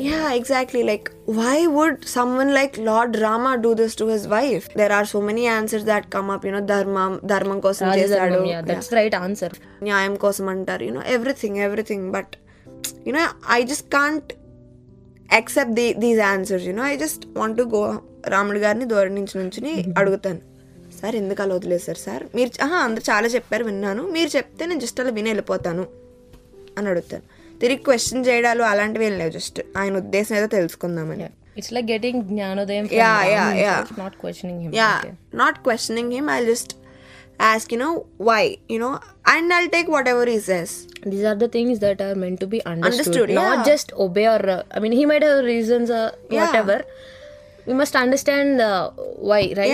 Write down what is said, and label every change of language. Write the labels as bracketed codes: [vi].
[en] Yeah, exactly, like why would someone like Lord Rama do this to his wife? There are so many answers that come up, you know, [te] dharmam kosam chesadu, [en] yeah, that's yeah. The right answer, [te] nyayam kosam antaru, [en] you know, everything, but you know, I just can't accept these answers, you know. I just want to go [te] రాముడి గారిని ధోరణించి అడుగుతాను sir, ఎందుకు అలా వదిలేశారు sir, మీరు అందరు చాలా చెప్పారు విన్నాను, మీరు చెప్తే నేను జస్ట్ అలా విని వెళ్ళిపోతాను అని అడుగుతాను. తిరిగి క్వశ్చన్ చేయడాలు అలాంటివి ఏం లేవు, జస్ట్ ఆయన ఉద్దేశం ఏదో తెలుసుకుందామని. [en] It's like getting జ్ఞానోదయం. Not questioning him. Yeah, not questioning him. I'll just ask, you know, why, you know, and I'll take whatever he says. These are the things that are meant to be understood. Yeah. Not just obey or, I mean, he might have reasons or whatever. Yeah. We must understand why, right?